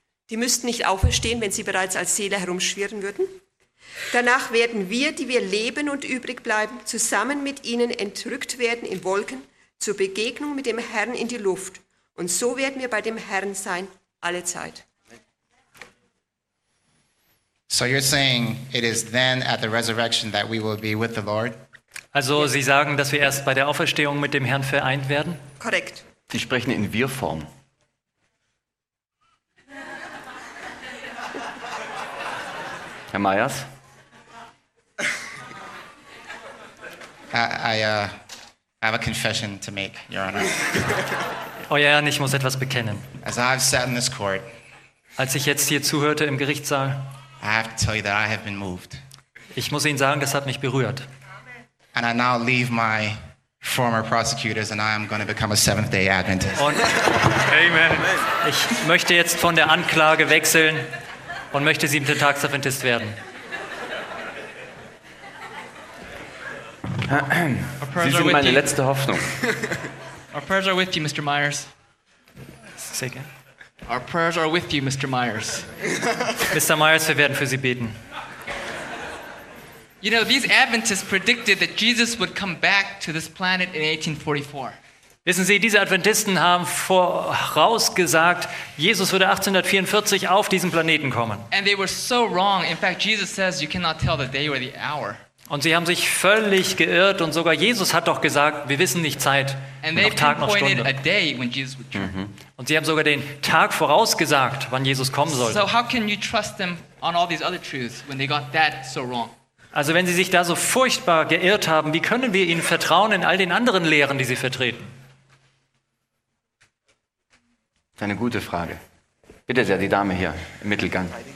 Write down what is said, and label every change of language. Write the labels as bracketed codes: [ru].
[de] Die müssten nicht auferstehen, wenn sie bereits als Seele herumschwirren würden. Danach werden wir, die wir leben und übrig bleiben, zusammen mit ihnen entrückt werden in Wolken zur Begegnung mit dem Herrn in die Luft. Und so werden wir bei dem Herrn sein, alle Zeit. [en] So you're saying it is then at the resurrection that we will be with the Lord? [de] Also, Sie sagen, dass wir erst bei der Auferstehung mit dem Herrn vereint werden? Korrekt. Sie sprechen in Wir-Form. Herr Meyers? [en] I have a confession to make, Your Honor. [de] Euer Herr, ich muss etwas bekennen. [en] As I have sat in this court, [de] als ich jetzt hier zuhörte im Gerichtssaal, [en] I have to tell you that I have been moved. [de] Ich muss Ihnen sagen, das hat mich berührt. [en] And I now leave my former prosecutors and I am going to become a Seventh-day Adventist. [de] Und Amen. Ich möchte jetzt von der Anklage wechseln und möchte Siebenten-Tags-Adventist werden. Sie sind meine letzte Hoffnung. [en] Our prayers are with you, Mr. Meyers. Say again. Our prayers are with you, Mr. Meyers. [de] Mr. Meyers, wir werden für Sie beten. [en] You know, these Adventists predicted that Jesus would come back to this planet in 1844. [de] Wissen Sie, diese Adventisten haben vorausgesagt, Jesus würde 1844 auf diesen Planeten kommen. [en] And they were so wrong. In fact, Jesus says you cannot tell the day or the hour. [de] Und sie haben sich völlig geirrt und sogar Jesus hat doch gesagt, wir wissen nicht Zeit, noch Tag, noch Stunde. Mm-hmm. Und sie haben sogar den Tag vorausgesagt, wann Jesus kommen soll. [en] So how can you trust them on all these other truths when they got that so wrong? [de] Also wenn sie sich da so furchtbar geirrt haben, wie können wir ihnen vertrauen in all den anderen Lehren, die sie vertreten? Das ist eine gute Frage. Bitte sehr, die Dame hier im Mittelgang.